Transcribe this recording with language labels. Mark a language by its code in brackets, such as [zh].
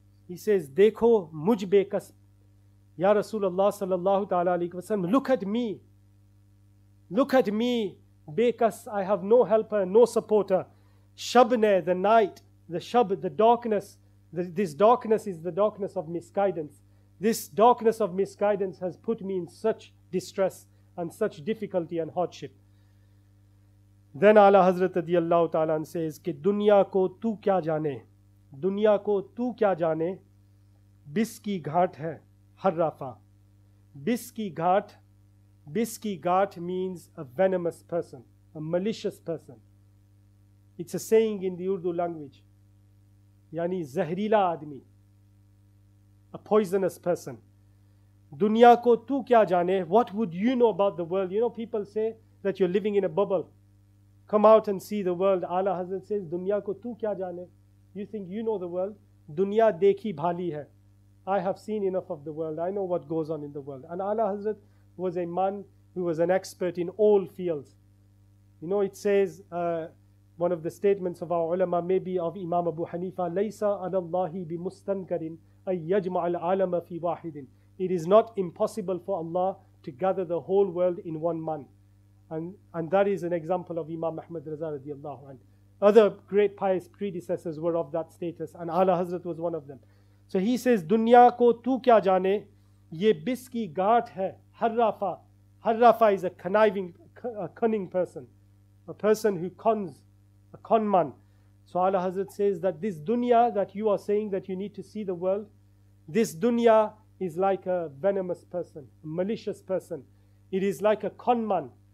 [ur] He says, دیکھو مجھ backs. [en] Ya Rasulullah sallallahu ta'ala alayhi wa sallam, look at me. Look at me, bekas, I have no helper, no supporter. Shabne, the night, the shab, the darkness. This darkness is the darkness of misguidance. This darkness of misguidance has put me in such distress and such difficulty and hardship. [ur] Then اعلیٰ حضرت رضی اللہ تعالیٰ says, کہ دنیا کو تو کیا جانے? دنیا کو تو کیا جانے? بس کی گھاٹ ہے۔ [en] حرافہ، بسکی گھاٹ means a venomous person, a malicious person. It's a saying in the Urdu language. [ur] Yani zahrila admi, [en] a poisonous person. [ur] Dunya ko tu kya jane? [en] What would you know about the world? You know, people say that you're living in a bubble. Come out and see the world. Ala Hazrat says, [ur] dunya ko tu kya jane? [en] You think you know the world? [ur] Dunya dekhi bhali hai. [en] I have seen enough of the world. I know what goes on in the world. And Ala Hazrat was a man who was an expert in all fields. You know, it says, one of the statements of our ulama, maybe of Imam Abu Hanifa, [ar] لَيْسَ عَلَى اللَّهِ بِمُسْتَنْكَرٍ أَيَّجْمَعَ الْعَالَمَ فِي وَاحِدٍ. [en] It is not impossible for Allah to gather the whole world in one man. And that is an example of Imam Ahmad Raza radiallahu anhu. Other great pious predecessors were of that status, and Ala Hazrat was one of them. [ur] So he says, دنیا کو تو کیا جانے، یہ بس کی گانٹھ ہے، حرافہ. [en] Harrafa is a conniving, a cunning person. A person who cons, a con man. So Ala Hazrat says that this dunya that you are saying that you need to see the world, this dunya is like a venomous person, a malicious person. It is like a con man.